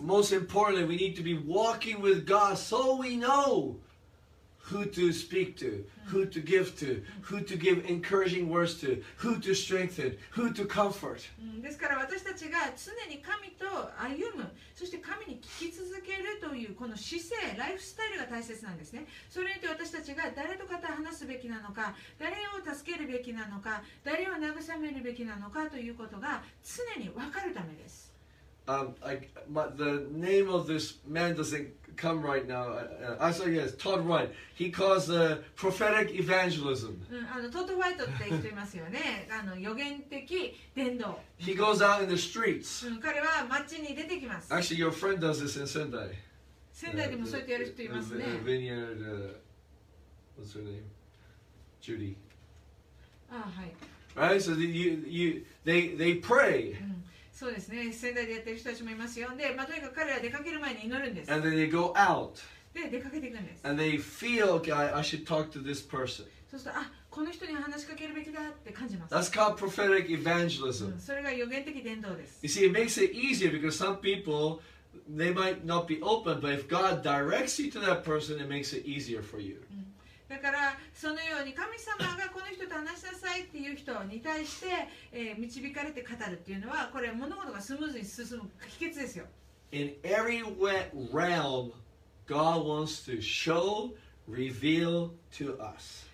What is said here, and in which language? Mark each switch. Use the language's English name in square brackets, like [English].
[English] Most importantly, we need to be walking with God so we know. Who to speak to, who to give to, who to give encouraging words to, who to strengthen, who to comfort. [Japanese] ですから私たちが常に神と歩む、そして神に聞き続けるというこの姿勢、ライフスタイルが大切なんですね。それによって私たちが誰と語り話すべきなのか、誰を助けるべきなのか、誰を慰めるべきなのかということが常に分かるためです。 [English] The name of this man doesn't come right now. I saw yes, Todd White. He calls the prophetic evangelism. [Japanese] Todd White って言ってますよね。予言的伝道。 [English] He goes out in the streets. [Japanese] 彼は街に出てきます。 [English] Actually, your friend does this in Sendai. [Japanese] 仙台でもそうやってやる人いますね。 [English] Vineyard, what's her name? Judy. [Japanese] はい。 [English] Right, so they pray. [Japanese] そうですね、仙台でやってる人たちもいますよ。で、まあ、とにかく彼ら出かける前に祈るんです。 [English] And then they go out. [Japanese] で、出かけていくんです。 [English] And they feel, okay, I should talk to this person. [Japanese] そうすると、あ、この人に話しかけるべきだって感じます。 [English] That's called prophetic evangelism. [Japanese] それが予言的伝道です。 [English] You see, it makes it easier because some people, they might not be open, but if God directs you to that person, it makes it easier for you. [Japanese] だからそのように神様がこの人と話しなさいっていう人に対して導かれて語るっていうのはこれ物事がスムーズに進む秘訣ですよ。 [English] In every realm, God wants to show, reveal to us.